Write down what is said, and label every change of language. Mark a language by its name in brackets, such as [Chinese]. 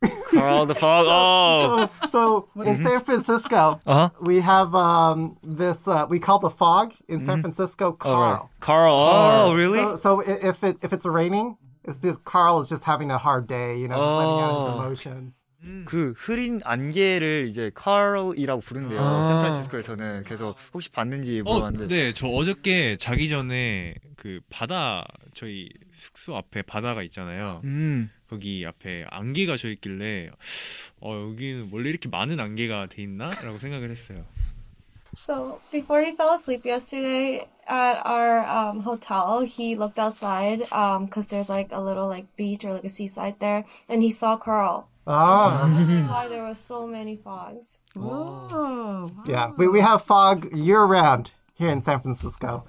[English] Carl the Fog, So in San Francisco, we have we call the fog in San Francisco, Carl. Carl. Really? So if it's raining, it's because Carl is just having a hard day, you know, letting out his emotions. [Korean] 그 흐린 안개를 이제 Carl이라고 부른대요, 샌프란시스코에서는. 그래서 혹시 봤는지 물어봤는데. 네, 저 어저께 자기 전에 그 바다, 저희 숙소 앞에 바다가 있잖아요. 거기 앞에 안개가 져 있길래, 여기는 원래 이렇게 많은 안개가 돼 있나? 라고 생각을 했어요. [English] So before he fell asleep yesterday at our hotel, he looked outside because there's like a little like beach or like a seaside there, and he saw coral. Oh. Why there were so many fogs. Whoa. Yeah, we have fog year-round here in San Francisco.